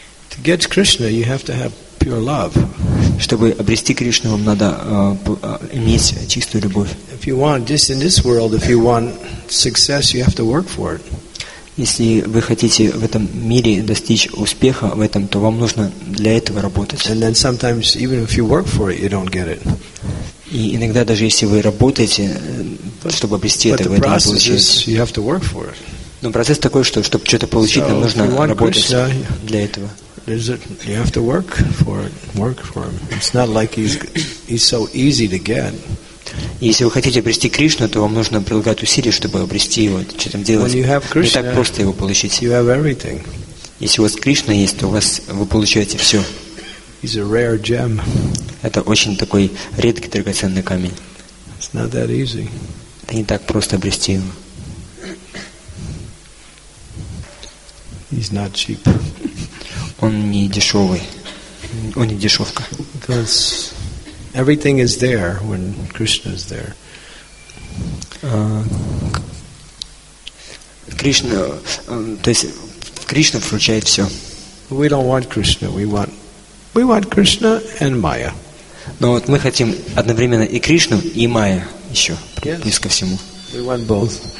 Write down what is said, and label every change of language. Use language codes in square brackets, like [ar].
[en] To get Krishna, you have to have pure love. [ru] Чтобы обрести Кришну, вам надо иметь чистую любовь. [en] If you want this in this world, if you want success, you have to work for it. [ru] Если вы хотите в этом мире достичь успеха в этом, то вам нужно для этого работать. [en] And then sometimes even if you work for it, you don't get it. [ru] И иногда даже если вы работаете, чтобы обрести это, вы это не получаете. [en] You have to work for it. [ru] Но процесс такой, что чтобы что-то получить, нам нужно работать [en] Krishna, [ru] для этого. [en] You have to work for it. Work for him. It's not like he's so easy to get. [ru] Если вы хотите обрести Кришну, то вам нужно прилагать усилия, чтобы обрести его. Что там делать? [en] When you have Krishna, [ru] не так просто его получить. [en] You have everything. [ru] Если у вас Кришна есть, то у вас вы получаете все. [en] He's a rare gem. [ru] Это очень такой редкий драгоценный камень. [en] It's not that easy. [ru] Это не так просто обрести его. [en] He's not cheap. [ru] Он не дешевый. Он не дешевка. [en] Because everything is there when Krishna is there. [ru] Кришна, то есть Кришна включает все. [en] We don't want Krishna. We want Krishna and Maya. [ru] Но вот мы хотим одновременно и Кришну, и Майя еще плюс ко всему. [en] We want both.